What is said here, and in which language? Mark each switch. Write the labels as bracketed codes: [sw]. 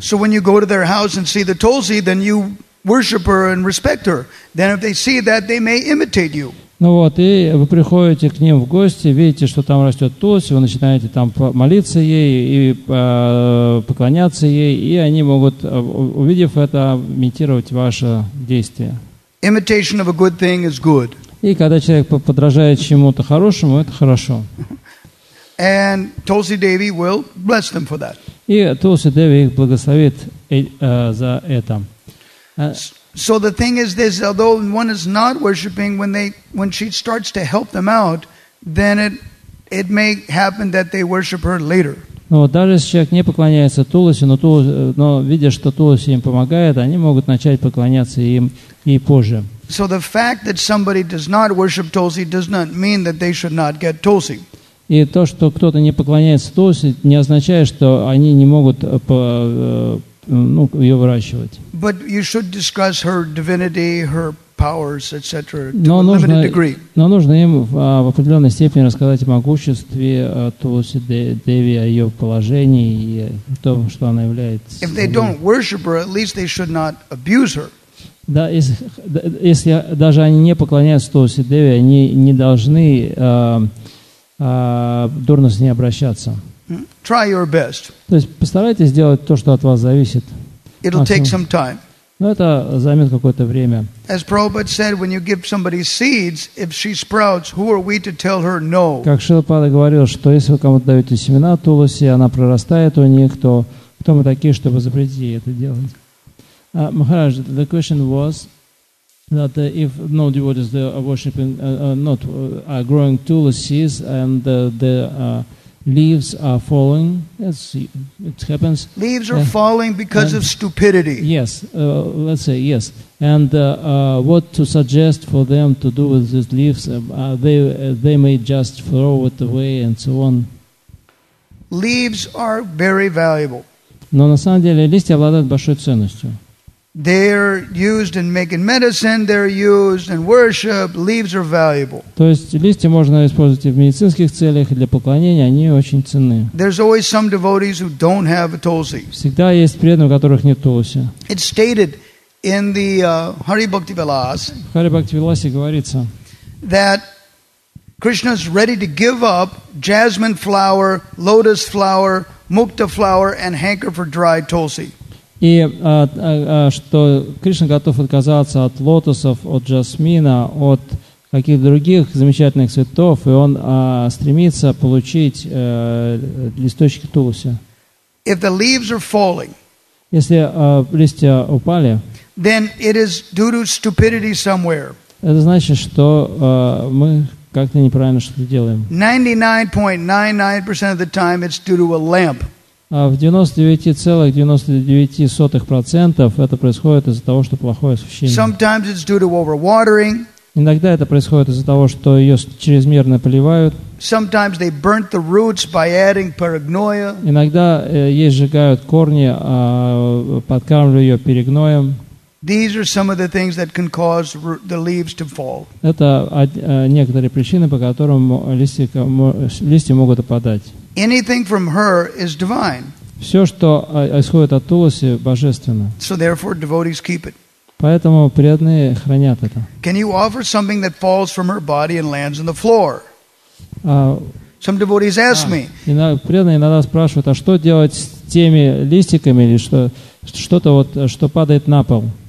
[en] So when you go to their house and see the tulsi, then you worship her and respect her. Then if they see that, they may imitate you. [ru] Ну вот, и вы приходите к ним в гости, видите, что там растет тулси, вы начинаете там молиться ей и поклоняться ей, и они могут, увидев это, имитировать ваше действие. [en] Imitation of a good thing is good. [ru] И когда человек подражает чему-то хорошему, это хорошо. [en] And Tulsi Devi will bless them for that. [ru] И Тулси Деви их благословит за это. [en] So the thing is this, although one is not worshiping, when she starts to help them out, then it may happen that they worship her later. [ru] Но вот даже если человек не поклоняется Туласи, но видя, что Туласи им помогает, они могут начать поклоняться им и позже. [en] So the fact that somebody does not worship Tulsi does not mean that they should not get Tulsi. [ru] И то, что кто-то не поклоняется Тулси, не означает, что они не могут ее выращивать. [en] But you should discuss her divinity, her powers, etc. to a limited degree. [ru] Но нужно им в определенной степени рассказать о могуществе Тулси Деви, о ее положении и о том, что она является. [en] If they don't worship her, at least they should not abuse her. [ru] Да, если даже они не поклоняются Тулси Деви, они не должны дурно с ней обращаться. [en] Try your best. [ru] То есть постарайтесь сделать то, что от вас зависит. [en] It'll take some time. [ru] Но это займет какое-то время. [en] As Prabhupada said, when you give somebody seeds, if she sprouts, who are we to tell her no? [ru] Как Шрила Прабхупада говорил, что если вы кому-то даете семена Тулси, она прорастает у них, то кто мы такие, чтобы запретить ей это делать? [en] Maharaj, the question was that if no devotees are worshiping, are growing tulasis and leaves are falling, yes, it happens. Leaves are falling because of stupidity. Yes, let's say yes. And what to suggest for them to do with these leaves? They may just throw it away and so on. Leaves are very valuable. [ru] Но на самом деле листья обладают большой ценностью. [en] They're used in making medicine, they're used in worship, leaves are valuable. [ru] То есть листья можно использовать и в медицинских целях, и для поклонения, они очень ценны. [en] There's always some devotees who don't have a tulsi. [ru] Всегда есть преданные, у которых нет тулси. [en] It's stated in the Hari Bhakti Vilas. [ru] В Hari Bhakti Vilas говорится, [en] that Krishna's ready to give up jasmine flower, lotus flower, mukta flower and hanker for dry tulsi. [ru] И что Кришна готов отказаться от лотосов, от жасмина, от каких-то других замечательных цветов, и он стремится получить листочки тулуси. [en] If the leaves are falling, [ru] если листья упали, [en] then it is due to stupidity somewhere. [ru] Это значит, что мы как-то неправильно что-то делаем. [en] 99.99% of the time it's due to a lamp. [ru] В 99,99% это происходит из-за того, что плохое освещение. [en] Sometimes it's due to overwatering. [ru] Иногда это происходит из-за того, что ее чрезмерно поливают. [en] Sometimes they burnt the roots by adding paragnoia. [ru] Иногда ей сжигают корни, подкармливая ее перегноем. [en] These are some of the things that can cause the leaves to fall. [ru] Это некоторые причины, по которым листья могут опадать. [en] Anything from her is divine. [ru] Все, что исходит от Тулси, божественно. [en] So therefore, devotees keep it. [ru] Поэтому преданные хранят это. [en] Can you offer something that falls from her body and lands on the floor? Some devotees ask me. [ru] Преданные иногда спрашивают, а что делать с теми листиками или что-то вот, что падает на пол?